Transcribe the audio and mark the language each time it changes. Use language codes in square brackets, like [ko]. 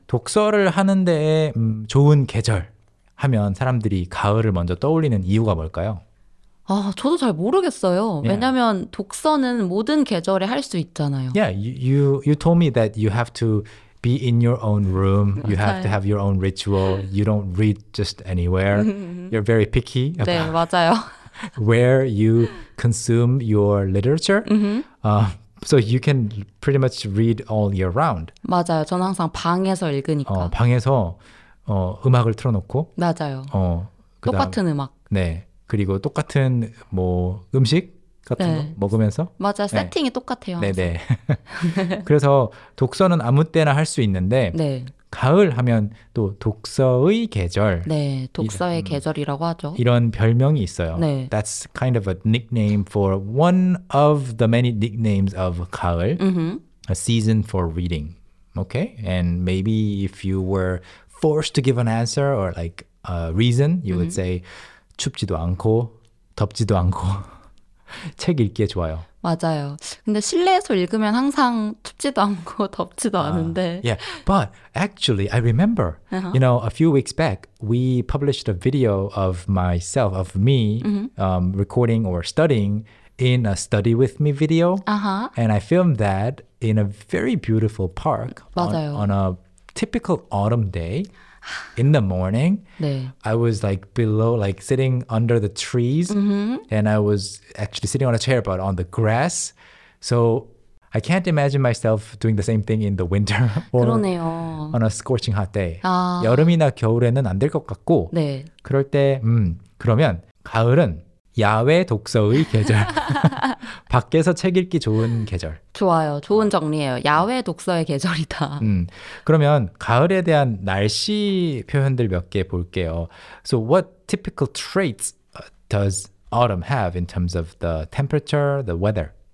[ko] 독서를 하는데 좋은 계절 하면 사람들이 가을을 먼저 떠올리는 이유가 뭘까요? 아, 저도 잘 모르겠어요. 왜냐면 yeah. 독서는 모든 계절에 할 수 있잖아요. [en] Yeah, you told me that you have to be in your own room. [ko] 맞아요. [en] You have to have your own ritual. You don't read just anywhere. You're very picky about [ko] 네, 맞아요. [en] where you consume your literature. So you can pretty much read all year round. [ko] 맞아요. 저는 항상 방에서 읽으니까. 방에서 음악을 틀어놓고. 맞아요. 그다음, 똑같은 음악. 네. 그리고 똑같은 뭐 음식 같은 네. 거 먹으면서 맞아 세팅이 네. 똑같아요. 네네. 그래서 독서는 아무 때나 할 수 있는데 네. 가을 하면 또 독서의 계절. 네, 독서의 계절이라고 하죠. 이런 별명이 있어요. 네. [en] That's kind of a nickname for one of the many nicknames of 가을. Mm-hmm. A season for reading. Okay, and maybe if you were forced to give an answer or like a reason, you would say [ko] 춥지도 않고 덥지도 않고 책 읽기에 좋아요. 맞아요. 근데 실내에서 읽으면 항상 춥지도 않고 덥지도 않은데. [en] Yeah, but actually I remember, you know, a few weeks back we published a video of myself, of me recording or studying in a study with me video. Uh-huh. And I filmed that in a very beautiful park [ko] 맞아요. [en] On a typical autumn day. In the morning, [ko] 네. [en] I was like below, like sitting under the trees, and I was actually sitting on a chair, but on the grass. So I can't imagine myself doing the same thing in the winter [ko] or 그러네요. [en] On a scorching hot day. [ko] 아. 여름이나 겨울에는 안 될 것 같고, 네. 그럴 때, 그러면 가을은 야외 독서의 계절. 밖에서 책 읽기 좋은 계절. 좋아요. 좋은 정리예요. 야외 독서의 계절이다. 그러면 가을에 대한 날씨 표현들 몇 개 볼게요. [en] So what typical traits does autumn have in terms of the temperature, the weather?